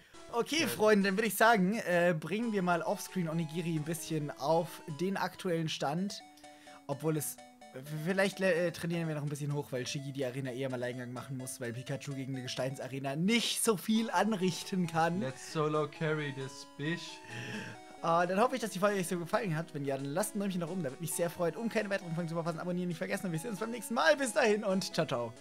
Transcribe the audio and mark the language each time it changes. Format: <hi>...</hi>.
<de>Okay, Freunde, dann würde ich sagen, bringen wir mal offscreen Onigiri ein bisschen auf den aktuellen Stand. Obwohl es. Vielleicht trainieren wir noch ein bisschen hoch, weil Shigi die Arena eher im Alleingang machen muss, weil Pikachu gegen eine Gesteinsarena nicht so viel anrichten kann.</de> <en>Let's solo carry this bitch.</en> <de>Dann hoffe ich, dass die Folge euch so gefallen hat. Wenn ja, dann lasst ein Däumchen nach oben, da würde mich sehr freuen. Um keine weiteren Folgen zu verpassen, abonnieren nicht vergessen. Und wir sehen uns beim nächsten Mal. Bis dahin und ciao, ciao.</de>